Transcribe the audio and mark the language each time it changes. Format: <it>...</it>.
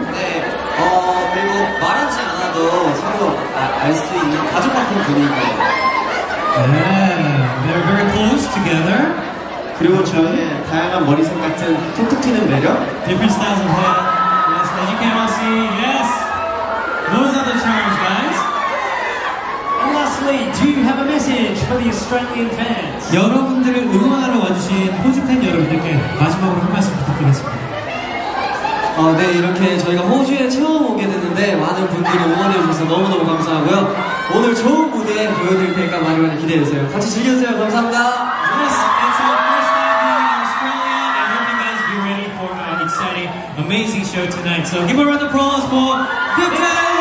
<ko>네 그리고 말하지 않아도 서로 알 수 있는 가족 같은 분위기</ko> <en>네 They're very close together</en> <ko>그리고 저의 다양한 머리색 같은 톡톡 튀는 매력</ko> <en>Different styles of hair Yes, as you can all see, yes Those are the charms, guys And lastly, do you have a message for the Australian fans?</en> <ko>여러분들을 응원하러 와주신 호주 팬 여러분들께 마지막으로 한 말씀 부탁드리겠습니다. 네, 이렇게 저희가 호주에 처음 오게 됐는데 많은 분들이 응원해 주셔서 너무너무 감사하고요. 오늘 좋은 무대 보여드릴 테니까 많이 많이 기대해 주세요. 같이 즐겨주세요. 감사합니다.</ko> <en>Yes, it's our first time being in Australia. I hope you guys be ready for an exciting, amazing show tonight. So give a round of applause for VICTON!</en>